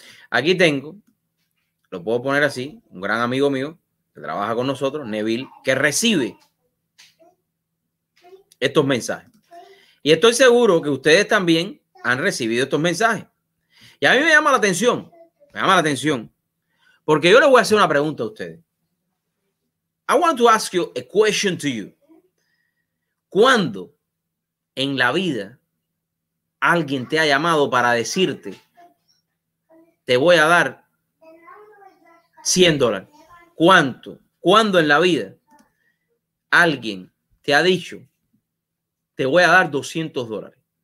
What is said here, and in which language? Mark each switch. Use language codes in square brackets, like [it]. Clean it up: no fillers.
[es] Aquí tengo, lo puedo poner así, un gran amigo mío que trabaja con nosotros, Neville, que recibe estos mensajes. Y estoy seguro que ustedes también han recibido estos mensajes. Y a mí me llama la atención. Me llama la atención, porque yo le voy a hacer una pregunta a ustedes. [en] I want to ask you a question to you. [es] ¿Cuándo en la vida alguien te ha llamado para decirte, te voy a dar $100? ¿Cuánto? ¿Cuándo en la vida alguien te ha dicho, te voy a dar $200?